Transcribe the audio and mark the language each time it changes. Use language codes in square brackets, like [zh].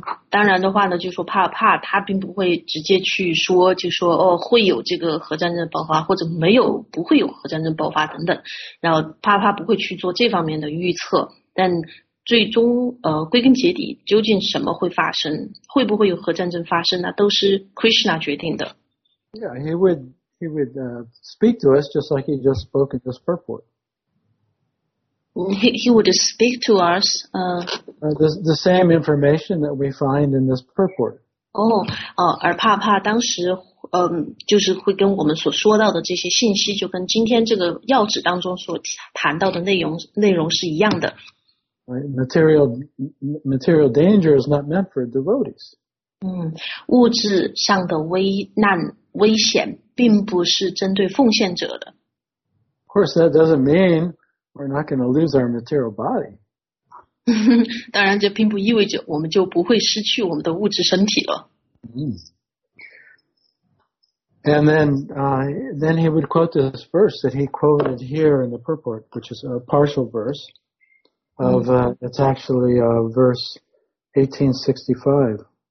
[zh] 当然的话呢，就是说怕他并不会直接去说，就说哦会有这个核战争爆发，或者没有不会有核战争爆发等等，然后怕不会去做这方面的预测。但最终归根结底，究竟什么会发生，会不会有核战争发生呢？都是 Krishna 决定的。 [en] Yeah, he would speak to us just like he just spoke in this purport. He would speak to us. The same information that we find in this purport. [zh] 而帕当时，就是会跟我们所说到的这些信息，就跟今天这个要旨当中所谈到的内容是一样的。 [en] Right, material danger is not meant for devotees. [zh] 物质上的危险并不是针对奉献者的。 [en] Of course, that doesn't mean we're not going to lose our material body. [zh] 当然这并不意味着我们就不会失去我们的物质身体了。 [en] And then he would quote this verse that he quoted here in the purport, which is a partial verse of, it's actually verse 1865.